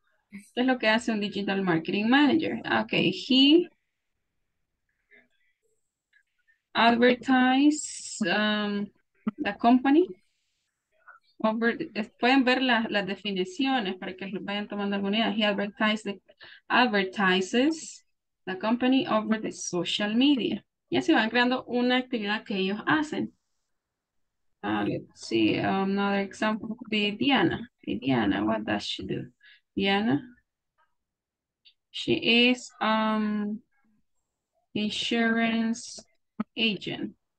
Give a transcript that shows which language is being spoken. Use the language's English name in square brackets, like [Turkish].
[Spanish] ¿Qué es lo que hace un [English] Digital Marketing Manager? Ok, he advertise the company. [Spanish] Pueden ver las definiciones para que vayan tomando alguna idea. [English] He advertises the company over the social media. [Spanish] Y así van creando una actividad que ellos hacen. [English] Let's see, another example could be Diana. Hey, Diana, what does she do? Diana, she is insurance agent.